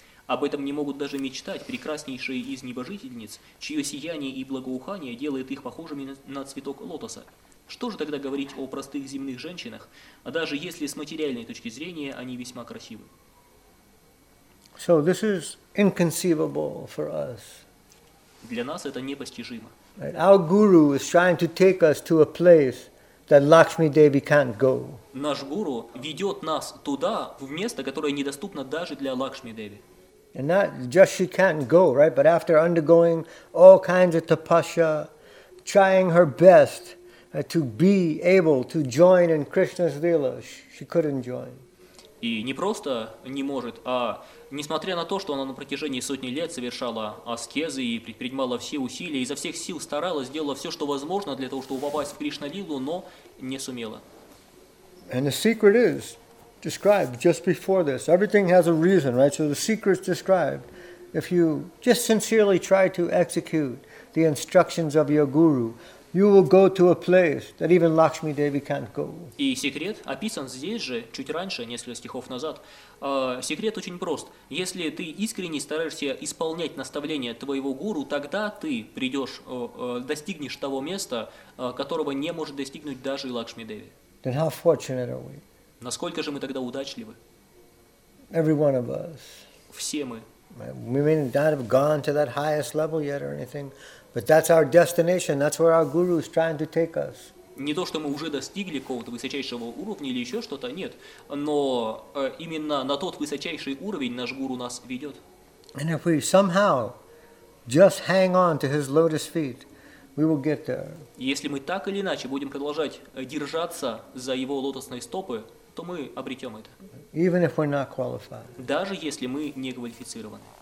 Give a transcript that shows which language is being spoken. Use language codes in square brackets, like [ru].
[ru] Об этом не могут даже мечтать прекраснейшие из небожительниц, чье сияние и благоухание делает их похожими на цветок лотоса. Что же тогда говорить о простых земных женщинах, даже если с материальной точки зрения они весьма красивы? [en] So this is inconceivable for us. [ru] Для нас это непостижимо. [en] Our guru is trying to take us to a place that Lakshmi Devi can't go. [ru] Наш гуру ведет нас туда, в место, которое недоступно даже для Лакшми Деви. [en] And not just she can't go, right? But after undergoing all kinds of tapasya, trying her best to be able to join in Krishna's lila, she couldn't join. [ru] И не просто не может, а несмотря на то, что она на протяжении сотни лет совершала аскезы и предпринимала все усилия, изо всех сил старалась, делала все, что возможно для того, чтобы попасть в Кришна-лилу, но не сумела. [en] And the secret is described just before this. Everything has a reason, right? So the secret is described. If you just sincerely try to execute the instructions of your guru, you will go to a place that even Lakshmi Devi can't go. [ru] И секрет описан здесь же, чуть раньше, несколько стихов назад. Секрет очень прост. Если ты искренне стараешься исполнять наставления твоего гуру, тогда ты достигнешь того места, которого не может достигнуть даже Лакшми Деви. [en] Then how fortunate are we? [ru] Насколько же мы тогда удачливы? [en] Every one of us. [ru] Все мы. [en] We may not have gone to that highest level yet or anything, but that's our destination. That's where our guru is trying to take us. [ru] Не то, что мы уже достигли какого-то высочайшего уровня или еще что-то, нет, но именно на тот высочайший уровень наш гуру нас ведет. [en] And if we somehow just hang on to his lotus feet, we will get there. [ru] Если мы так или иначе будем продолжать держаться за его лотосные стопы, то мы обретем это. [en] Even if we're not qualified. [ru] Даже если мы не квалифицированы.